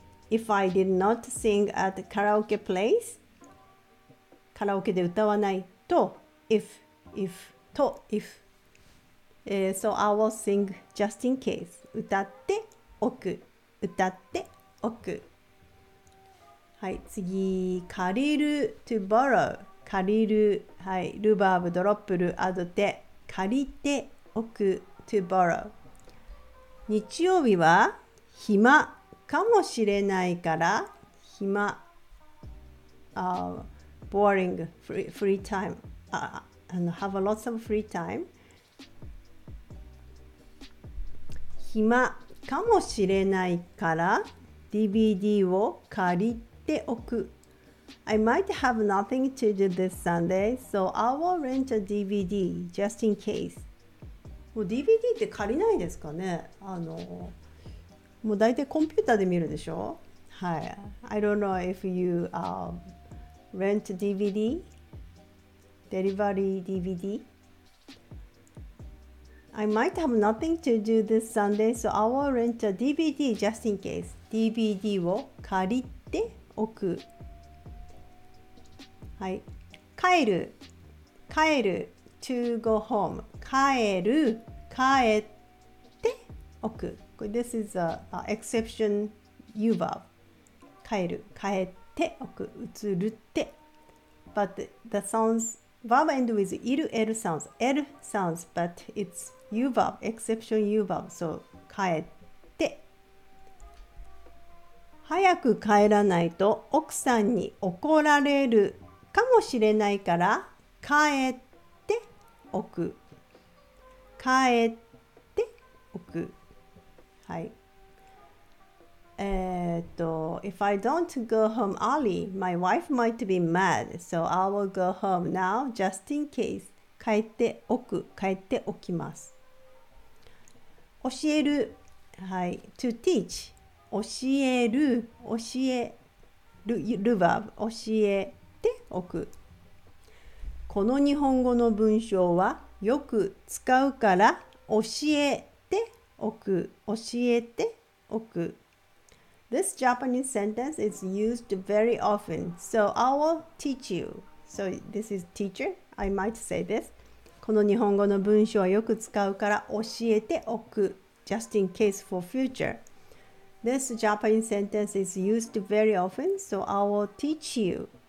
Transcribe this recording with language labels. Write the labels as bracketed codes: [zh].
[en] If I did not sing at the karaoke place. [ja] カラオケで歌わないと。 [en] If. So I will sing just in case. [ja] 歌っておく。歌っておく。はい、次。借りる。 [en] To borrow. [ja] 借りる。はい、ルバーブ、 [en] ドロップル、アドテ。 [ja] 借りておく。 [en] To borrow. [ja] 日曜日は暇かもしれないから暇、 [en] boring, free time, have a lots of free time. [ja] 暇かもしれないから DVD を借りておく。 [en] I might have nothing to do this Sunday, so I will rent a DVD just in case. [ja] もう DVD って借りないですかね。もう大体コンピューターで見るでしょ。はい。 [en] I don't know if you rent DVD, delivery DVD. I might have nothing to do this Sunday, so I will rent a DVD just in case. [ja] DVD を借りておく。はい。帰る。帰る。 [en] To go home. [ja] 帰る。帰っておく。 [en] This is an exception you verb. [ja] 帰る、帰っておく、移るって。 [en] But the sounds, verb end with いる、る sounds. る sounds, but it's you verb, exception you verb. So, [ja] 帰って。早く帰らないと奥さんに怒られるかもしれないから、帰っておく。帰っておく。はい。 [en] If I don't go home early, my wife might be mad, so I will go home now just in case. [ja] 帰っておく、帰っておきます。教える、はい。 [en] To teach. [ja] 教える、教えるルバーブ。教えておく。この日本語の文章は、よく使うから教えておく、教えておく。 [en] This Japanese sentence is used very often, so I will teach you. So this is teacher, I might say this. [ja] この日本語の文章はよく使うから教えておく、 [en] just in case for future. This Japanese sentence is used very often, so I will teach you.